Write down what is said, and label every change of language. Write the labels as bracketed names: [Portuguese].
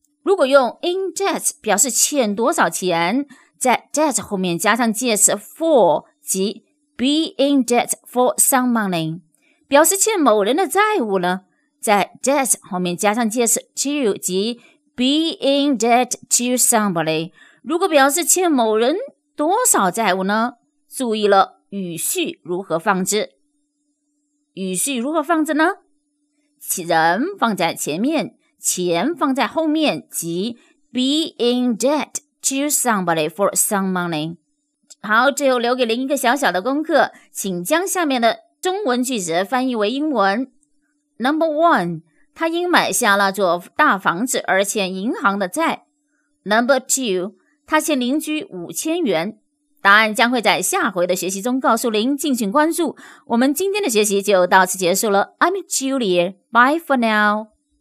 [Chinese] 如果用 in debt 表示欠多少钱，在 debt 后面加上介词 for 即 [English] be in debt for some money， [Chinese] 表示欠某人的债务呢，在 debt 后面加上介词 to 即 [English] be in debt to somebody。 [Chinese] 如果表示欠某人多少债务呢，注意了语序如何放置。语序如何放置呢？人放在前面，钱放在后面，即 [English] be in debt to somebody for some money。 [Chinese] 好，最后留给您一个小小的功课，请将下面的中文句子翻译为英文。 [English] Number one， [Chinese] 他因买下那座大房子而欠银行的债。 [English] Number two， [Chinese] 他欠邻居5000元。答案将会在下回的学习中告诉您，敬请关注。我们今天的学习就到此结束了。 [English] I'm Julia. Bye for now.